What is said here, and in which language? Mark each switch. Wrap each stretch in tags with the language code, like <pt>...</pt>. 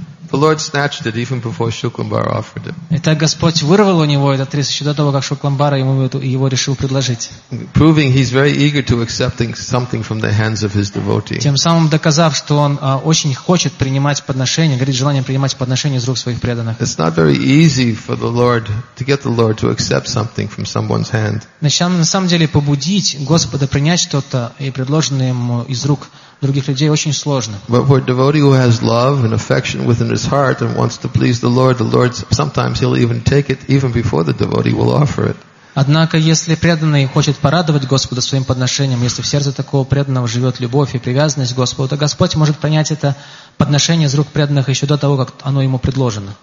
<en>The Lord snatched it even before Shuklambara offered it.</en> <ru>Итак, Господь вырвал у него этот рис еще до того, как Шукламбара ему его решил предложить.</ru> <en>Proving he's very eager to accepting something from the hands of his devotee.</en> <ru>Тем самым доказав, что он очень хочет принимать подношение, горит желанием принимать подношение из рук своих преданных.</ru> <en>It's not very easy for the Lord to get the Lord to accept something from someone's hand.</en> <ru>Начинаем на самом деле побудить Господа принять что-то и предложенное ему из рук других людей очень сложно.</ru> <en>But for a devotee who has love and affection within his heart and wants to please the Lord sometimes he'll even take it even before the devotee will offer it.</en> <ru>Однако, если преданный хочет порадовать Господа своим подношением, если в сердце такого преданного живет любовь и привязанность к Господу, то Господь может принять это подношение из рук преданных еще до того, как оно ему предложено.</ru>